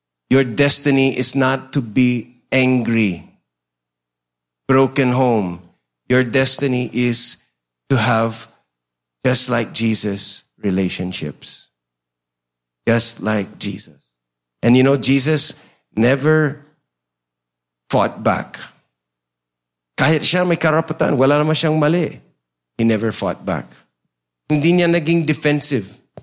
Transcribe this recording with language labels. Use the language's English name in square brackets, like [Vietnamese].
[English] Your destiny is not to be angry. Broken home. Your destiny is to have just like Jesus, relationships. Just like Jesus. And you know, Jesus never fought back. [Filipino] Kahit siya may karapatan, wala naman siyang mali. [English] He never fought back. [Filipino] Hindi niya naging defensive.